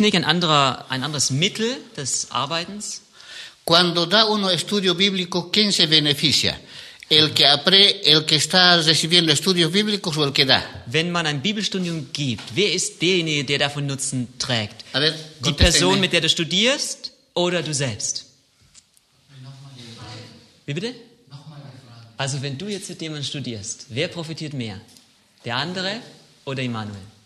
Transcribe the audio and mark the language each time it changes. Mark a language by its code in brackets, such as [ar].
[de] Ein anderes Mittel des Arbeitens. [es] Cuando da uno estudio bíblico, ¿quién se beneficia? El que está recibiendo estudios bíblicos o el que da. [de] Wenn man ein Bibelstudium gibt, wer ist derjenige, der davon Nutzen trägt? [es] A ver, [de] die Person, mit der du studierst, oder du selbst? Wie bitte? Also wenn du jetzt mit jemandem studierst, wer profitiert mehr? Der andere oder Emmanuel?